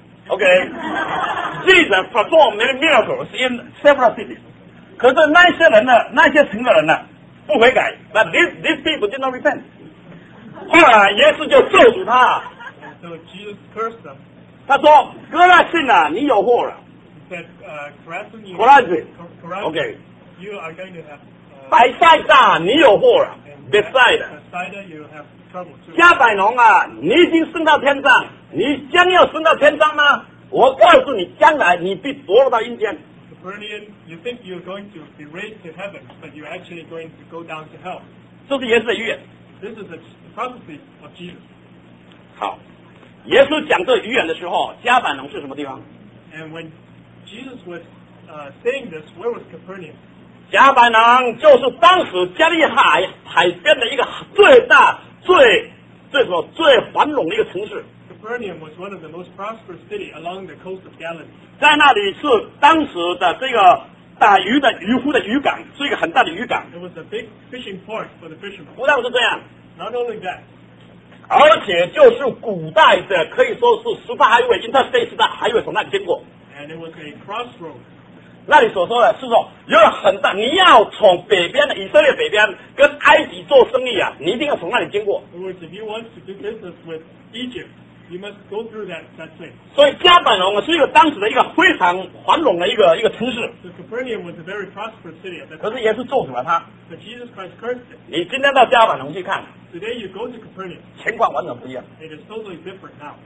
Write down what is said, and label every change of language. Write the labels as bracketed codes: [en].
[en] Okay, Jesus performed many miracles in several cities. [zh] 可是那些人呢？那些城的人呢？不悔改。 [en] But these people did not repent. [zh] 后来耶稣就咒诅他。 [en] So Jesus cursed them. [zh] 他说：“哥拉信呐、啊，你有祸了。” [en] Corazon, you are going to have. Bethsaida, you have trouble too. Bethsaida, you have trouble too. [zh] 加百农啊，你已经升到天上，你将要升到天上吗？我告诉你，将来你必堕落到阴间。 [en] Capernaum, you think you're going to be raised to heaven, but you're actually going to go down to hell. [zh] 这是耶稣的预言。 [en] This is the prophecy of Jesus. [zh] 好，耶稣讲这预言的时候，加百农是什么地方 [en] ？And when Jesus was saying this, where was Capernaum? [zh] 加百农就是当时加利海海边的一个最大、最什么最繁荣的一个城市。 [en] Capernaum was one of the most prosperous cities along the coast of Galilee. [zh] 在那里是当时的这个打鱼的渔夫的渔港，是一个很大的渔港。 [en] It was a big fishing port for the fishermen. [zh] 不但是这样 [en] ，Not only that. [zh] 而且就是古代的，可以说是十大海 Interstate 的海运从那里经过。 [en] And it was a crossroad. [zh] 那你所说的是说有很大，你要从北边的以色列北边跟埃及做生意啊，你一定要从那里经过。 [en] Which if you want to do business with Egypt, you must go through that place. [zh] 所以加百农是一个当时的一个非常繁荣的一个城市。 [en] So Capernaum was a very prosperous city. [zh] 可是耶稣咒诅了他。 [en] But Jesus Christ cursed it. [zh] 你今天到加百农去看。 [en] Today you go to Capernaum. [zh] 情况完全不一样。 [en] It is totally different now.